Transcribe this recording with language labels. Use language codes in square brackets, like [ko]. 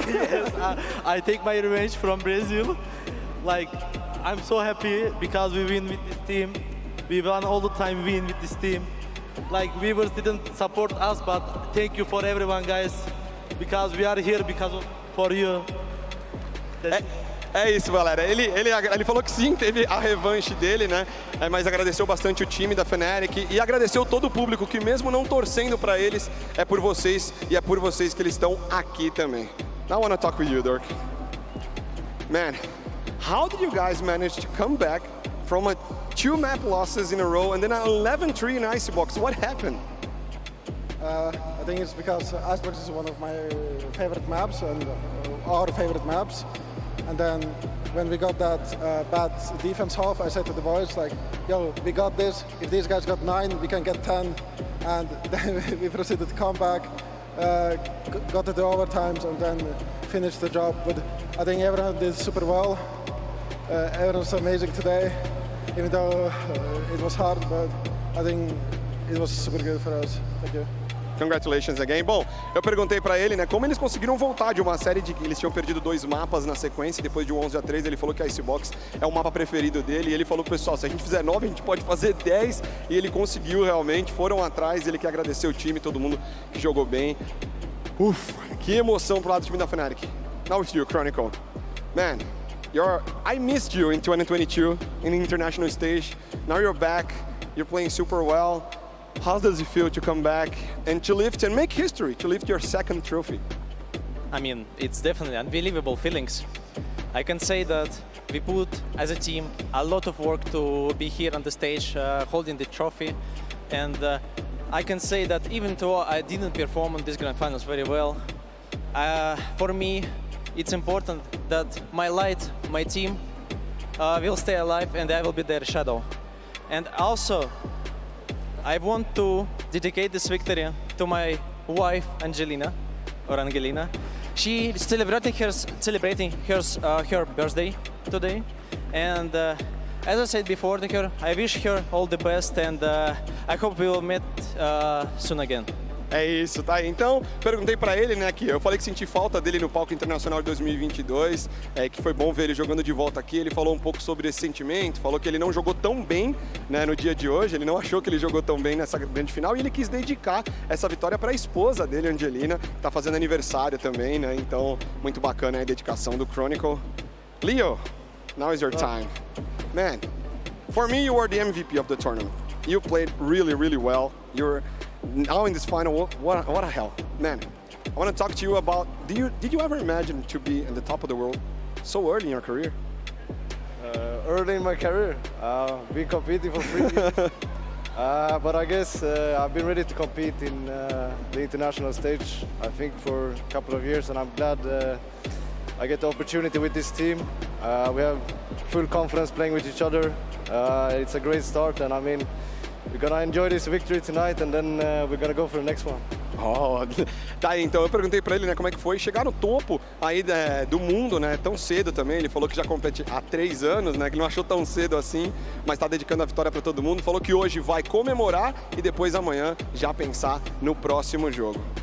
[en] Yes, I take my revenge from Brazil. Like, I'm so happy because we win with this team. We won all the time win with this team. Like, viewers didn't support us, but thank you for everyone, guys. Because we are here because of for you. [pt] É isso, galera. Ele falou que sim, teve a revanche dele, né? É, mas agradeceu bastante o time da Fnatic e agradeceu todo o público que, mesmo não torcendo para eles, é por vocês e é por vocês que eles estão aqui também. [en] Now I want to talk with you, Dirk. Man, how did you guys manage to come back from a 2 map losses in a row and then an 11-3 in Icebox? What happened? I think it's because Icebox is one of my favorite maps and our favorite maps. And then when we got that bad defense half, I said to the boys, like, yo, we got this. If these guys got 9, we can get 10. And then we proceeded to come back, got to the overtimes, and then finished the job. But I think everyone did super well. Everyone's amazing today, even though it was hard. But I think it was super good for us. Thank you. Congratulations again. [pt] Bom, eu perguntei pra ele, né, como eles conseguiram voltar de uma série de... Eles tinham perdido 2 mapas na sequência, depois de um 11-3, ele falou que a Icebox é o mapa preferido dele. E ele falou, pessoal, se a gente fizer 9, a gente pode fazer 10. E ele conseguiu realmente, foram atrás, ele quer agradecer o time, todo mundo que jogou bem. Uf, que emoção pro lado do time da Fnatic. [en] Now with you, Chronicle. Man, I missed you in 2022, in the international stage. Now you're back, you're playing super well. How does it feel to come back and to lift and make history, to lift your second trophy? I mean, it's definitely unbelievable feelings. I can say that we put, as a team, a lot of work to be here on the stage holding the trophy. And I can say that even though I didn't perform on this Grand Finals very well, for me, it's important that my light, my team, will stay alive and I will be their shadow. And also, I want to dedicate this victory to my wife Angelina, or Angelina. She is celebrating her birthday today. And as I said before to her, I wish her all the best and I hope we will meet soon again. [pt] É isso, tá? Então, perguntei pra ele, né, que eu falei que senti falta dele no palco internacional de 2022, que foi bom ver ele jogando de volta aqui. Ele falou um pouco sobre esse sentimento, falou que ele não jogou tão bem, né, no dia de hoje, ele não achou que ele jogou tão bem nessa grande final e ele quis dedicar essa vitória pra esposa dele, Angelina, que tá fazendo aniversário também, né, então, muito bacana a dedicação do Chronicle. [en] Leo, now is your time. Man, for me, you are the MVP of the tournament. You played really, really well. You're now in this final, what a hell, man! I want to talk to you about. Did you ever imagine to be in the top of the world so early in your career? Early in my career, been competing for 3 years. But I guess I've been ready to compete in the international stage. I think for a couple of years, and I'm glad I get the opportunity with this team. We have full confidence playing with each other. It's a great start, and I mean, we're gonna enjoy this victory tonight and then we're gonna go for the next one. [pt] Oh, tá aí, então eu perguntei pra ele, né, como é que foi chegar no topo aí do mundo, né, tão cedo também. Ele falou que já compete há 3 anos, né, que não achou tão cedo assim, mas tá dedicando a vitória pra todo mundo. Falou que hoje vai comemorar e depois amanhã já pensar no próximo jogo.